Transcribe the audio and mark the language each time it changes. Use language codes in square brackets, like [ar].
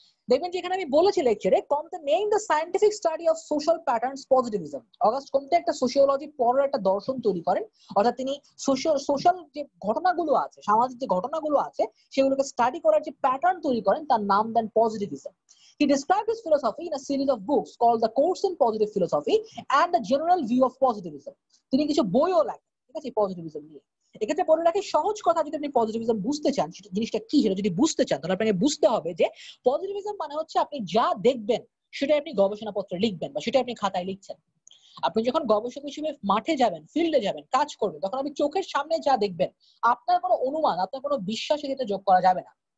[bn] দেখবেন যেখানে আমি বলেছি লেকচারে, [en] Comte named the scientific study of social patterns positivism. [bn] August কোম্পে একটা সোশিওলজি পরের একটা দর্শন তৈরি করেন, অর্থাৎ তিনি সোশ্যাল যে ঘটনাগুলো আছে, সামাজিক যে ঘটনাগুলো আছে, সেগুলোকে স্টাডি করার যে প্যাটার্ন তৈরি করেন তার নাম দেন positivism. [en] He described his philosophy in a series of books called The Course in Positive Philosophy and The General View of Positivism. [bn] তিনি কিছু বইও লেখেন, ঠিক আছে, পজিটিভিজম নিয়ে। এক্ষেত্রে বলে রাখি সহজ কথা, যদি আপনি পজিটিভিজম বুঝতে চান, জিনিসটা কি সেটা যদি বুঝতে চান, তাহলে আপনাকে বুঝতে হবে যে পজিটিভিজম মানে হচ্ছে আপনি যা দেখবেন সেটাই আপনি গবেষণাপত্রে লিখবেন বা সেটাই আপনি খাতায় লিখছেন। আপনি যখন গবেষক হিসেবে মাঠে যাবেন, ফিল্ডে যাবেন, কাজ করবেন, তখন আপনি চোখের সামনে যা দেখবেন আপনার কোনো অনুমান, আপনার কোনো বিশ্বাস এটা যোগ করা যাবে না।